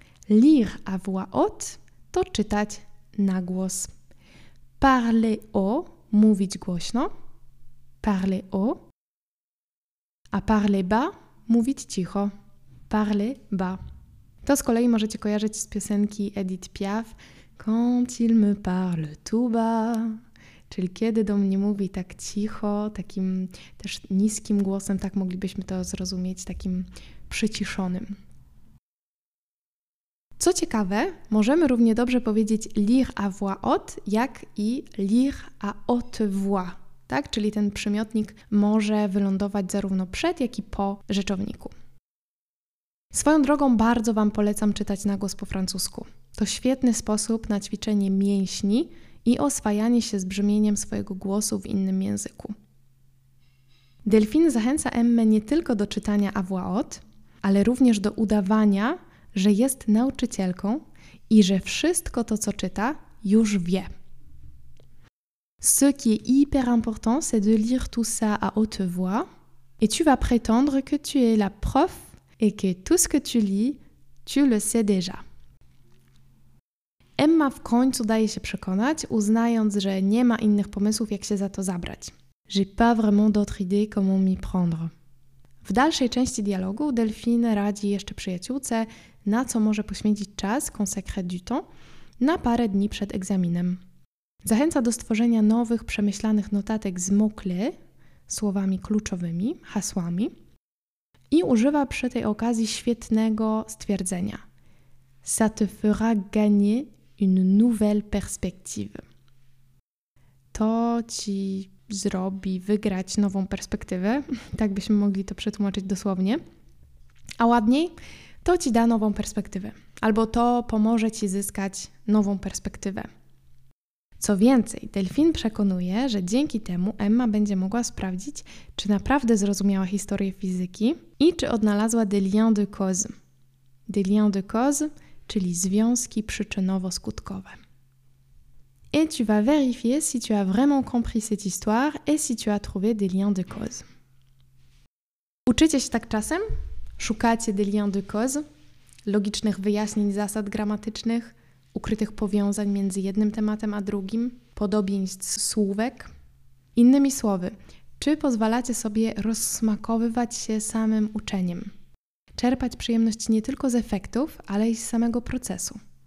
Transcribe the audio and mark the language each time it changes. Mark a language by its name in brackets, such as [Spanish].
[French] Lire à voix haute [Polish] to czytać na głos. [French] Parler haut, [Polish] mówić głośno. [French] Parler haut. A parler bas, [Polish] mówić cicho. [French] Parler bas. [Polish] To z kolei możecie kojarzyć z piosenki Edith Piaf. [French] Quand il me parle tout bas. [Polish] Czyli kiedy do mnie mówi tak cicho, takim też niskim głosem, tak moglibyśmy to zrozumieć, takim przyciszonym. Co ciekawe, możemy równie dobrze powiedzieć [French] lire à voix haute, [Polish] jak i [French] lire à haute voix, [Polish] tak? Czyli ten przymiotnik może wylądować zarówno przed, jak i po rzeczowniku. Swoją drogą bardzo Wam polecam czytać na głos po francusku. To świetny sposób na ćwiczenie mięśni i oswajanie się z brzmieniem swojego głosu w innym języku. Delphine zachęca Emmę nie tylko do czytania à voix haute, ale również do udawania, że jest nauczycielką i że wszystko to, co czyta, już wie. [French] Ce qui est hyper important, c'est de lire tout ça à haute voix et tu vas prétendre que tu es la prof et que tout ce que tu lis, tu le sais déjà. [Polish] Emma w końcu daje się przekonać, uznając, że nie ma innych pomysłów, jak się za to zabrać. [French] J'ai pas vraiment d'autre idée comment m'y prendre. [Polish] W dalszej części dialogu Delphine radzi jeszcze przyjaciółce, na co może poświęcić czas, [French] consacré du temps, [Polish] na parę dni przed egzaminem. Zachęca do stworzenia nowych, przemyślanych notatek z mots-clés, słowami kluczowymi, hasłami, i używa przy tej okazji świetnego stwierdzenia. [French] Ça te fera gagner une nouvelle perspective. [Polish] To ci zrobi wygrać nową perspektywę, tak byśmy mogli to przetłumaczyć dosłownie. A ładniej, to ci da nową perspektywę, albo to pomoże ci zyskać nową perspektywę. Co więcej, Delphine przekonuje, że dzięki temu Emma będzie mogła sprawdzić, czy naprawdę zrozumiała historię fizyki i czy odnalazła des liens de cause. [French] Des liens de cause, [Polish] czyli związki przyczynowo-skutkowe. [French] Et tu vas vérifier si tu as vraiment compris cette histoire et si tu as trouvé des liens de cause. [Polish] Uczycie się tak czasem? Szukacie [French] des liens de cause? [Polish] Logicznych wyjaśnień zasad gramatycznych? Ukrytych powiązań między jednym tematem a drugim? Podobieństw słówek? Innymi słowy, czy pozwalacie sobie rozsmakowywać się samym uczeniem? Czerpać przyjemność nie tylko z efektów, ale i z samego procesu.